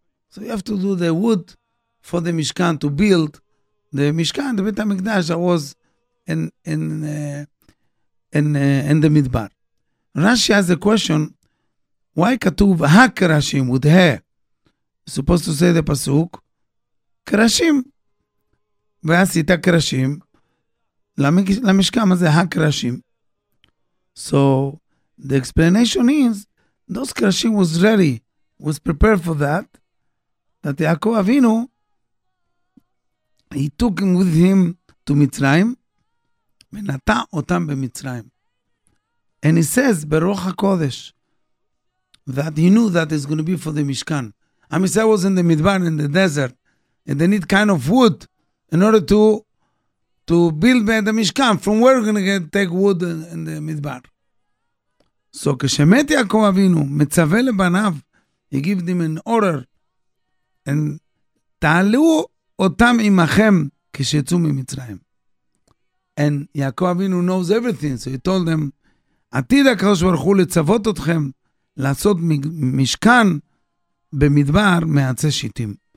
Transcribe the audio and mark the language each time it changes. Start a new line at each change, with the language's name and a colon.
English: So you have to do the wood for the Mishkan to build the Mishkan, the Beit HaMikdash that was in the Midbar. Rashi has a question, why katuv ha-kerashim with he? Supposed to say the pasuk,
Hebrew: קרשים, ועשית קרשים, למשכם הזה, הקרשים.
English: So, the explanation is, those קרשים was ready, was prepared for that, that יעקב אבינו, he took him with him to מצרים,
Hebrew: ונטע אותם במצרים.
English: And he says, ברוח הקודש, that he knew that it's going to be for the משכן. I mean, so I was in the Midbar, in the desert, and they need kind of wood in order to build the Mishkan. From where are we going to take wood in the Midbar?
Hebrew: So, כשמת יעקב אבינו, מצווה לבניו,
English: he gave them an order,
Hebrew: and תעלו אותם עמכם כשיצאו ממצרים. And יעקב אבינו
English: knows everything, so he told them,
Hebrew: עתיד הקדוש ברוך הוא לצוות אתכם לעשות משכן במדבר מעצי שיטים.